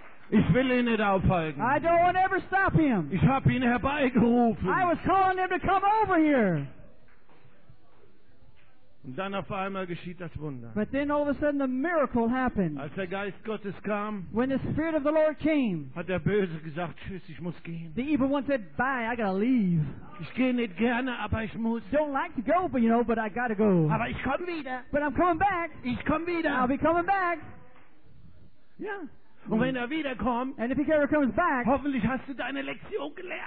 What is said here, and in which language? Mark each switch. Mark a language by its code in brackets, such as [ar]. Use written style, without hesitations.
[de] Ich will ihn nicht aufhalten. [en] I don't want to ever stop him. [de] Ich habe ihn herbeigerufen. [en] I was calling him to come over here. [de] Und dann auf einmal geschieht das Wunder. [en] But then all of a sudden the miracle happened. [de] Als der Geist Gottes kam, [en] when the Spirit of the Lord came, [de] hat der Böse gesagt, tschüss, ich muss gehen. [en] The evil one said, bye, I gotta leave. [de] Ich gehe nicht gerne, aber ich muss. [en] Don't like to go, but you know, but I gotta go. [de] Aber ich komme wieder. [en] But I'm coming back. [de] Ich komme wieder. [en] I'll be coming back. [de] Ja. Und wenn er wiederkommt, [en] and if he ever comes back, [de] hoffentlich hast du deine Lektion gelernt.